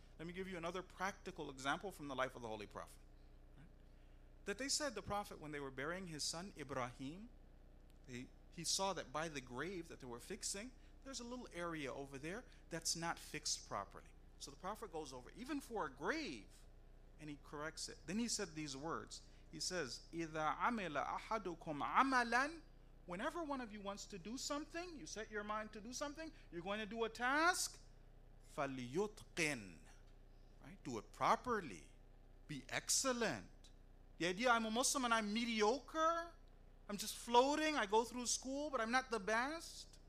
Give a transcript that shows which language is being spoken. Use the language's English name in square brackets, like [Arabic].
[English] Let me give you another practical example from the life of the Holy Prophet. That they said the Prophet, when they were burying his son Ibrahim, he saw that by the grave that they were fixing, there's a little area over there that's not fixed properly. So the Prophet goes over, even for a grave, and he corrects it. Then he said these words. [Arabic] He says, إِذَا عَمِلَ أَحَدُكُمْ عَمَلًا. [English] Whenever one of you wants to do something, you set your mind to do something, you're going to do a task, [Arabic] فَلْيُتْقِنْ. [English] Right? Do it properly. Be excellent. The idea, I'm a Muslim and I'm mediocre, I'm just floating, I go through school, but I'm not the best.